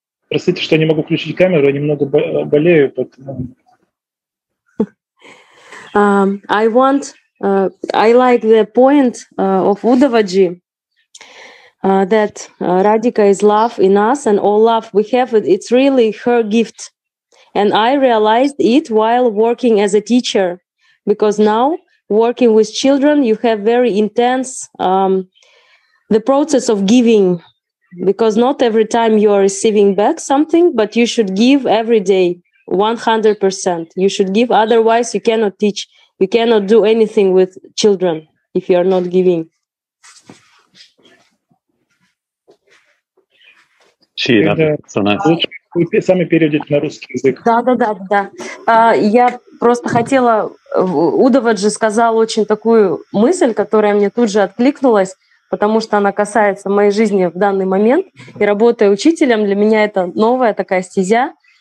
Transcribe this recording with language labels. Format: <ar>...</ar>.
<ru>Простите, что не могу включить камеру, я немного болею.</ru> <en>I like the point of Uddhavaji that Radhika is love in us and all love we have, it's really her gift. And I realized it while working as a teacher. Because now, working with children, you have very intense the process of giving. Because not every time you are receiving back something, but you should give every day, 100%. You should give, otherwise you cannot teach. You cannot do anything with children if you are not giving.</en> <ru>Я просто хотела, Удаваджи сказал очень такую мысль, которая мне тут же откликнулась, потому что она касается моей жизни в данный момент. И работая учителем, для меня это новая такая стезя.</ru>